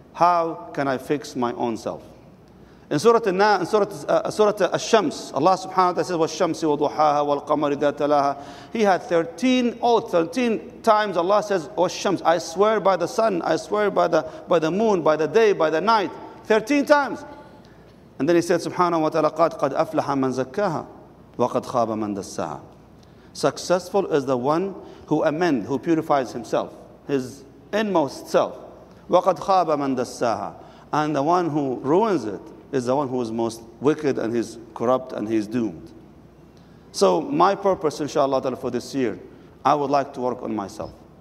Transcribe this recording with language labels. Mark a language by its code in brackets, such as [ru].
[en] How can I fix my own self? In Surah Ash-Shams, Allah subhanahu wa ta'ala says, وَالشَّمْسِ وَضُحَاهَا وَالْقَمَرِ إِذَا تَلَاهَا. He had 13 times Allah says, وَالشَّمْسِ. I swear by the sun, I swear by the moon, by the day, by the night. 13 times. [ar] And then he said, subhanahu wa ta'ala, قَدْ أَفْلَحَ مَنْ زَكَّاهَا وَقَدْ خَابَ مَنْ دَسَّاهَا. [en] Successful is the one who amends, who purifies himself, his inmost self. [ar] وَقَدْ خَابَ مَنْ دَسَّاهَا. [en] And the one who ruins it is the one who is most wicked and he's corrupt and he's doomed. So my purpose, inshallah, for this year, I would like to work on myself.